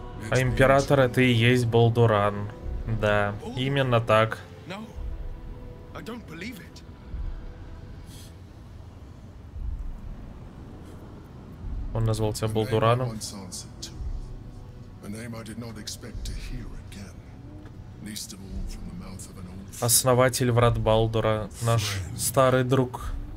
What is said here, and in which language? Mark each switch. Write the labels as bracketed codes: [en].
[ru] А император это и есть Болдуран. Да, именно так. [en] No, I don't believe it. [ru] Он назвал тебя Болдураном. [en] A name I did not expect to hear again. Least of all from the mouth of an old friend. [ru] Основатель врат Балдура, наш старый друг.